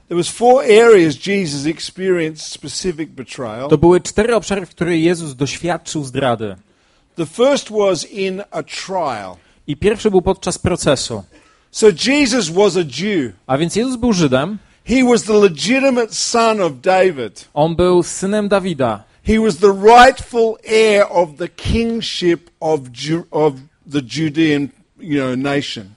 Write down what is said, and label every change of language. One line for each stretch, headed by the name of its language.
English: There was four areas Jesus experienced specific betrayal.
Polish: To były cztery obszary, w których Jezus doświadczył zdrady.
English: The first was in a trial.
Polish: I pierwszy był podczas procesu.
English: So Jesus was a Jew.
Polish: A więc Jezus był Żydem.
English: He was the legitimate son of David.
Polish: On był synem Dawida.
English: He was the rightful heir of the kingship of the Judean, nation.